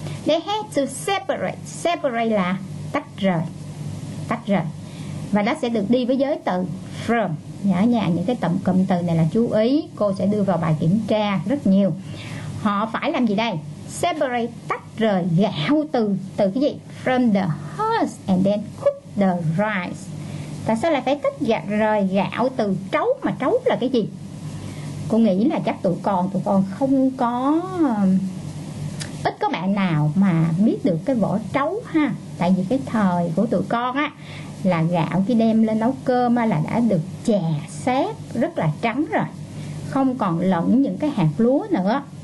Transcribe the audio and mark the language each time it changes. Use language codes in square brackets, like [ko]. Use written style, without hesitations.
[en] They had to separate. [vi] Separate là tách rời. Tách rời. Và nó sẽ được đi với giới từ from. Nhớ nha, những cái tổng cụm từ này là chú ý, cô sẽ đưa vào bài kiểm tra rất nhiều. Họ phải làm gì đây? Separate, tách rời gạo từ cái gì? [en] From the husk and then cook the rice. [vi] Tại sao lại phải tách rời gạo từ trấu, mà trấu là cái gì? Cô nghĩ là chắc tụi con không có, ít có bạn nào mà biết được cái vỏ trấu ha. Tại vì cái thời của tụi con á, là gạo khi đem lên nấu cơm á, là đã được chà xát rất là trắng rồi, không còn lẫn những cái hạt lúa nữa.